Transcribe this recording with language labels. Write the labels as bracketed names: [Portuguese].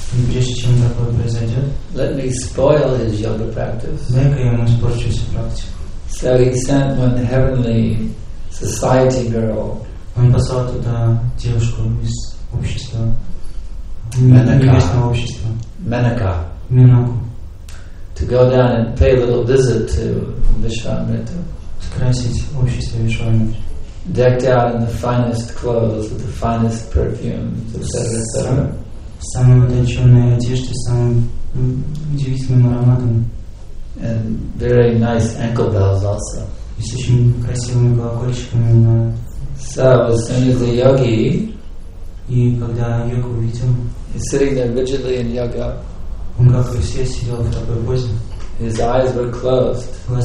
[Russian] прежде чем такое произойдет, [English] let me spoil his yoga practice. [Russian] Дай-ка я ему испорчу всю практику. [English] So he sent one heavenly society girl. [Russian] Он послал туда девушку из общества. [English] Menaka. Menaka. Menaka. To go down and pay a little visit to Vishvamrita. [Russian] Скрасить общество Вишвамитры. [English] Decked out in the finest clothes with the finest perfumes, etc., etc. [Russian] Самой утонченной одежды, самым удивительным ароматом. [English] And very nice ankle bells also. So as soon as the yogi is sitting there rigidly in yoga, his eyes were closed.